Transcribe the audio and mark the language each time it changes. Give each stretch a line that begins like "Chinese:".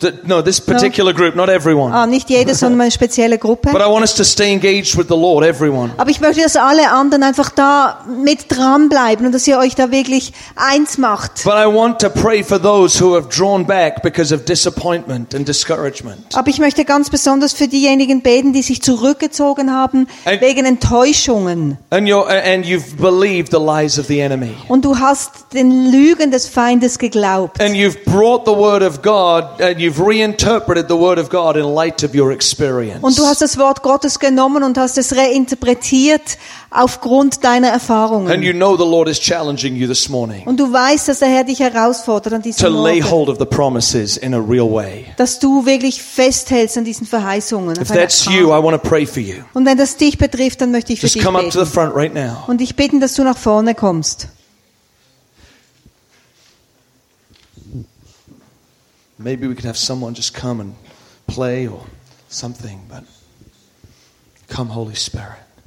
English: No, this particular group, not everyone.
German: Ah, nicht jeder, sondern eine spezielle Gruppe.
English: But I want us to stay engaged with the Lord, everyone.
German: Aber ich möchte, dass alle anderen einfach da mit dran bleiben und dass ihr euch da wirklich eins macht.
English: But I want to pray for those who have drawn back because of disappointment and discouragement.
German: Aber ich möchte ganz besonders für diejenigen beten, die sich zurückgezogen haben wegen Enttäuschungen.
English: And you've believed the lies of the enemy.
German: Und du hast den Lügen des Feindes geglaubt.
English: And you've brought the word of God and you've you've reinterpreted the word of God in light of your experience.
German: Und du hast das Wort Gottes genommen und hast es reinterpretiert aufgrund deiner Erfahrungen.
English: And you know the Lord is challenging you this morning.
German: Und du weißt, dass der Herr dich herausfordert an diesem
English: to
German: Morgen.
English: To lay hold of the promises in a real way.
German: Dass du wirklich festhältst an diesen Verheißungen.
English: If that's you, I want to pray for you.
German: Und wenn das dich betrifft, dann möchte ich für
English: just
German: dich
English: come
German: beten.
English: Up to the front right now.
German: Und ich bitten, dass du nach vorne kommst.
English: Maybe we could have someone just come and play or something, but come, Holy Spirit.